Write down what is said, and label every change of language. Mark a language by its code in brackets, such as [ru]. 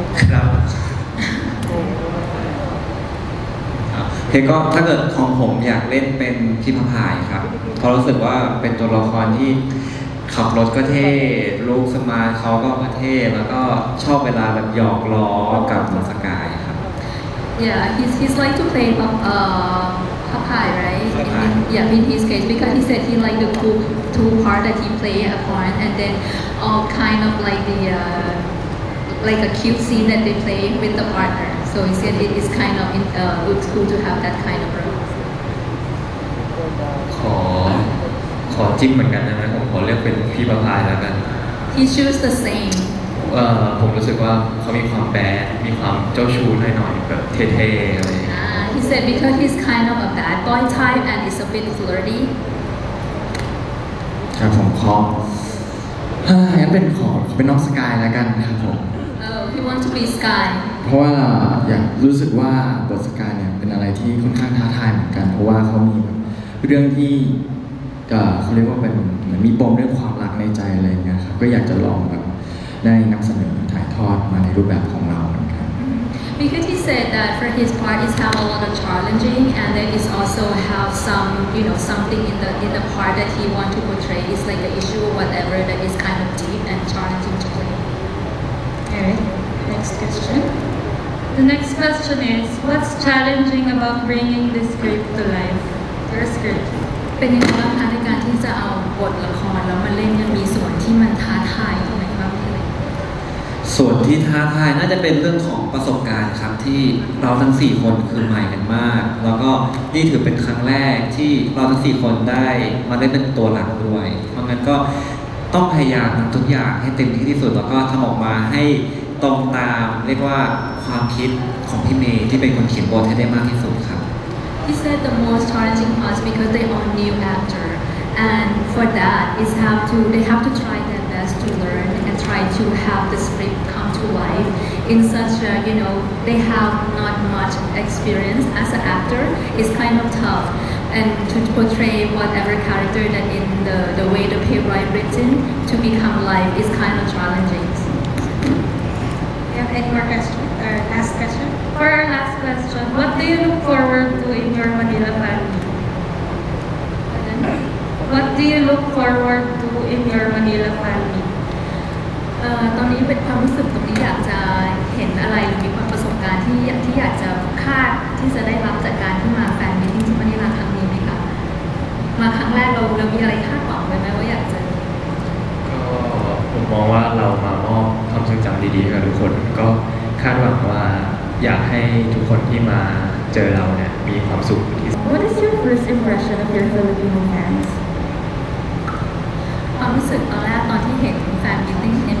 [th] ครับเฮ้ก็ถ้าเกิดของผมอยากเล่นเป็นพี่พะพายครับเพราะรู้สึกว่าเป็นตัวละครที่ขับรถก็เท่ลูกสมาร์ทเขาก็เท่แล้วก็ชอบเวลาแบบหยอกล้อกับสกายครับ [en] Yeah he's like to play Papai right in, yeah in his case because he said he like the two part that he play a part and then all kind of like the like a cute scene that they play with the partner so he said it is kind of good cool to have that kind of role [th] ขอจิ้มเหมือนกันนะผมขอเรียกเป็นพี่ประภัยแล้วกัน [en] He choose the same [th] ผมรู้สึกว่าเขามีความแบดมีความเจ้าชู้หน่อยๆแบบเท่ๆอะไร [en] He said because he's kind of a bad boy type and is a bit flirty [th] ครับผมขอยังเป็นขอเป็นน้องสกายแล้วกันครับผม [en] He want to be Sky [th] เพราะว่าอยากรู้สึกว่าบทสกายเนี่ยเป็นอะไรที่ค่อนข้างท้าทายเหมือนกันเพราะว่าเขามีเรื่องที่ก็เขาเรียกว่าเป็นเหมือนมีปมเรื่องความรักในใจอะไรเงี้ยครับก็อยากจะลองแบบได้นำเสนอถ่ายทอดมาในรูปแบบของเราเหมือนกัน [en] Because he said that for his part he's have a lot of challenging and then he's also have some you know something in the part that he want to portray is like an issue or whatever that is kind of deep and challenging to play. Alright, next question. The next question is what's challenging about bringing this script to life? Your script. [th] เป็นยังไงบ้างคะในการที่จะเอาบทละครแล้วมาเล่นยังมีส่วนที่มันท้าทายตรงไหนบ้างที่เลย ส่วนที่ท้าทายน่าจะเป็นเรื่องของประสบการณ์ครับที่เราทั้ง4คนคือใหม่กันมากแล้วก็นี่ถือเป็นครั้งแรกที่เราทั้ง4คนได้มาเล่นเป็นตัวหลักด้วยเพราะงั้นก็ต้องพยายามทุกอย่างให้เต็มที่ที่สุดแล้วก็ทำออกมาให้ตรงตามเรียกว่าความคิดของพี่เมย์ที่เป็นคนเขียนบทให้ได้มากที่สุดครับ [en] He said the most challenging part because they are new actor, and for that, it's have to they have to try their best to learn and try to have the script come to life. In such a you know they have not much experience as an actor, it's kind of tough. and to portray whatever character that in the way the paper I've written to become alive is kind of challenging. Do you have any more questions or last question? For our last question, what do you look forward to in your Manila family? What do you look forward to in your Manila family? [th] ตอนนี้เป็นความรู้สึกที่อยากจะเห็นอะไรมีความประสบการณ์ที่อยากจะคาดที่จะได้รับจากการที่มาแฟนมีติ้งที่มานี่มาครั้งนี้ไหมคะมาครั้งแรกเรามีอะไรคาดหวังไหมว่าอยากจะ ก็ผมมองว่าเรามามอบความทรงจำดีๆกับทุกคนก็คาดหวังว่าอยากให้ทุกคนที่มาเจอเราเนี่ยมีความสุขที่สุด [en] What is your first impression of your Filipino fans [th] ความรู้สึกตอนแรกตอนที่เห็นแฟนมีติ้ง